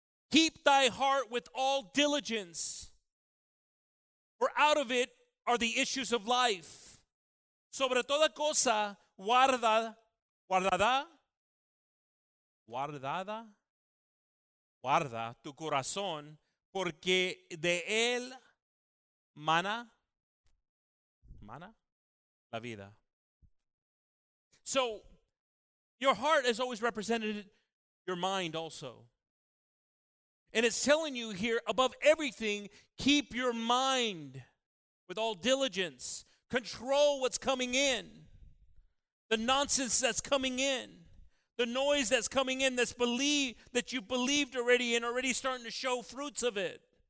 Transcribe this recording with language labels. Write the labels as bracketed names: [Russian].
[English] Keep thy heart with all diligence, for out of it are the issues of life. [Spanish] Sobre toda cosa, guarda tu corazón, porque de él mana la vida. [English] So your heart is always represented your mind also. And it's telling you here, above everything, keep your mind with all diligence. Control what's coming in. The nonsense that's coming in, the noise that's coming in, that you believed already and already starting to show fruits of it.